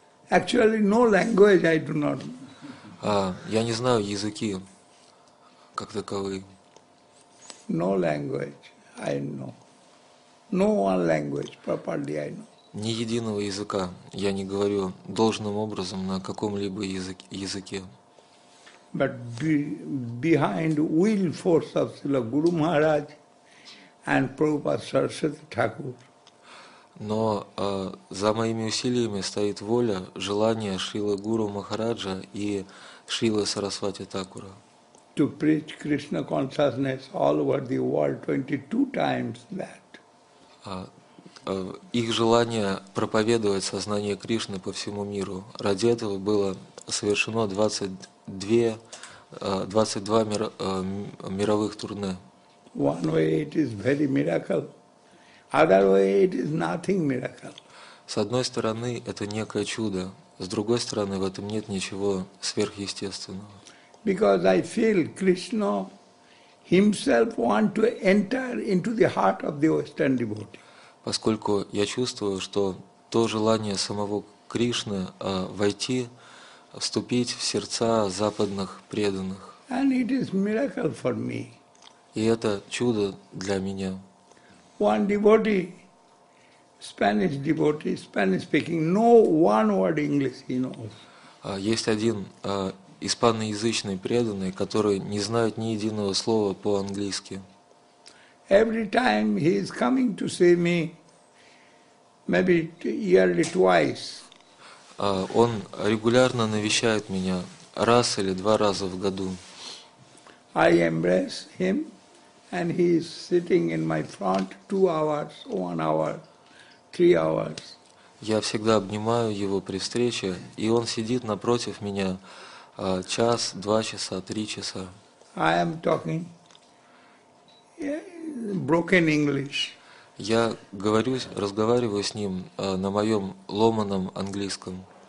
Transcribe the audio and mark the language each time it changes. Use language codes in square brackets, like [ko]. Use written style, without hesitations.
[en] Actually, no language I do not know. [ru] Я не знаю языки как таковые. [en] No language I know. No one language properly I know. [ru] Ни единого языка я не говорю должным образом на каком-либо языке. [en] But behind will force of Srila Guru Maharaj and Prabhupada Saraswati Thakur. [ru] Но за моими усилиями стоит воля, желание Шрилы Гуру Махараджа и Шрилы Сарасвати Такура. [en] To preach Krishna consciousness all over the world 22 times that. [ru] Их желание проповедовать сознание Кришны по всему миру. Ради этого было совершено 22 мировых турне. [en] One way it is very miracle. Other way it is nothing miracle. [ru] С одной стороны, это некое чудо. С другой стороны, в этом нет ничего сверхъестественного. [en] Because I feel Krishna himself wants to enter into the heart of the Western devotee. [ru] Поскольку я чувствую, что то желание самого Кришны войти, вступить в сердца западных преданных. [en] And it is miracle for me. [ru] И это чудо для меня. [en] One devotee, Spanish devotee, Spanish speaking, no one word English he knows. [ru] Есть один испаноязычный преданный, который не знает ни единого слова по-английски. [en] Every time he is coming to see me, maybe yearly twice. [ru] Он регулярно навещает меня раз или два раза в году. [en] I embrace him, and he is sitting in my front 2 hours, 1 hour, 3 hours. [ru] Я всегда обнимаю его при встрече, и он сидит напротив меня час, 2 часа, 3 часа. [en] I am talking. Broken English. [ru] Я говорю, разговариваю с ним на моем ломаном английском.